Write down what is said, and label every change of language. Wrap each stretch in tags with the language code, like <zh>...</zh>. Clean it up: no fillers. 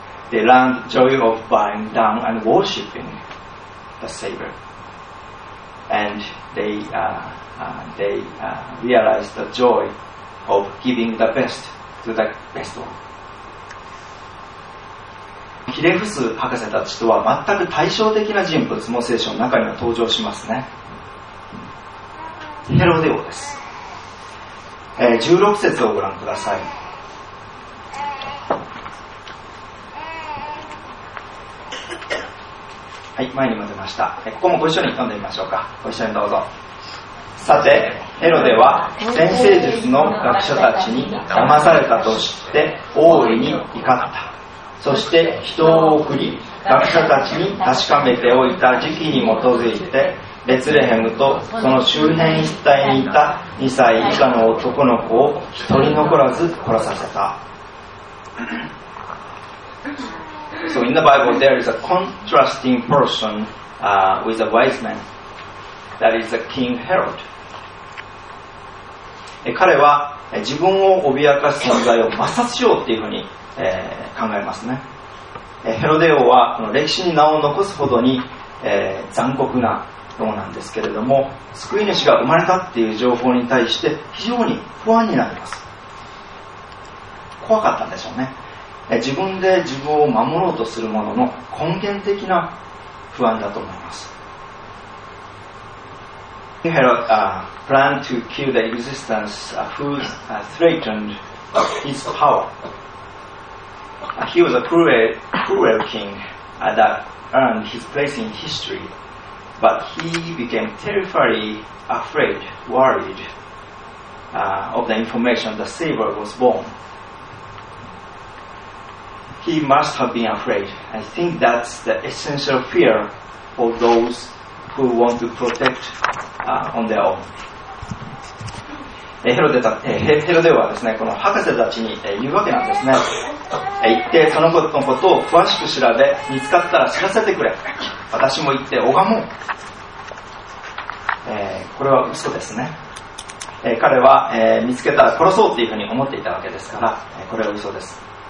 <en>They learned the joy of bowing down and worshipping the Savior. And they realized the joy of giving the best to the best one.</en> <ja>ヒレフス博士たちとは全く対照的な人物も聖書の中には登場しますね。ヘロデ王です。16節をご覧ください。はい、前にも出ました。ここもご一緒に読んでみましょうか。ご一緒にどうぞ。さてヘロデは占星術の学者たちに騙されたと知って大いに怒った。そして人を送り、学者たちに確かめておいた時期に基づいて、ベツレヘムとその周辺一帯にいた2歳以下の男の子を一人残らず殺させた。</ja> <en>So in the Bible, there is a contrasting person with a wise man. That is the King Herod.</en> <ja>彼は自分を脅かす存在を抹殺しようっていうふうに、考えますね。ヘロデ王はこの歴史に名を残すほどに、残酷な王なんですけれども、救い主が生まれたっていう情報に対して非常に不安になります。怖かったんでしょうね。自分で自分を守ろうとするものの根源的な不安だと思います。</ja> <en>ヘロデ planned to kill the existence who threatened his powerHe was a cruel king that earned his place in history, but he became terribly afraid, worried of the information the Savior was born. He must have been afraid. I think that's the essential fear for those who want to protect on their own.</en> <ja>ヘロデはですね、この博士たちに言うわけなんですね。行ってそのことのことを詳しく調べ、見つかったら知らせてくれ、私も行って拝もう。これは嘘ですね。彼は見つけたら殺そうというふうに思っていたわけですから、これは嘘です。</ja>